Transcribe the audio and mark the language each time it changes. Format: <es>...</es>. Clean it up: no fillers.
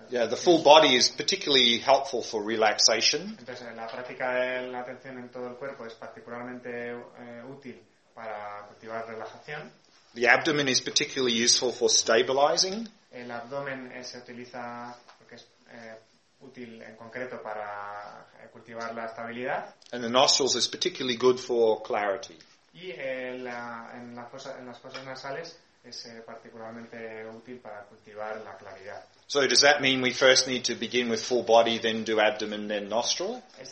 <en>Yeah, the full body is particularly helpful for relaxation.</en> <es>Entonces, la práctica de la atención en todo el cuerpo es particularmente útil para cultivar relajación.</es> <en>The abdomen is particularly useful for stabilizing.</en> <es>El abdomen se utiliza porque es útil en concreto para cultivar la estabilidad.</es> <en>And the nostrils is particularly good for clarity.</en> <es>Y en las fosas nasales es particularmente útil para cultivar la claridad.</es> <en>So does that mean we first need to begin with full body, then do abdomen, then nostril?</en>